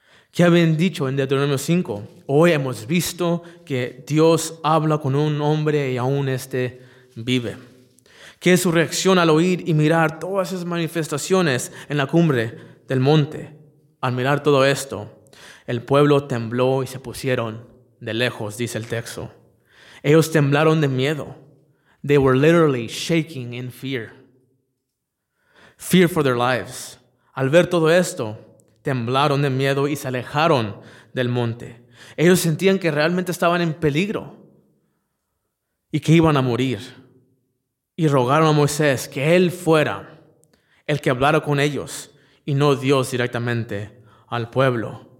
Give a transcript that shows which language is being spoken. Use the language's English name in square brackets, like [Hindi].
[Spanish] ¿Qué habían dicho en Deuteronomio 5? Hoy hemos visto que Dios habla con un hombre y aún este vive. ¿Qué es su reacción al oír y mirar todas esas manifestaciones en la cumbre del monte? Al mirar todo esto, el pueblo tembló y se pusieron de lejos, dice el texto. Ellos temblaron de miedo. [English] They were literally shaking in fear. Fear for their lives. [Spanish] Al ver todo esto, temblaron de miedo y se alejaron del monte. Ellos sentían que realmente estaban en peligro y que iban a morir. Y rogaron a Moisés que él fuera el que hablara con ellos y no Dios directamente al pueblo.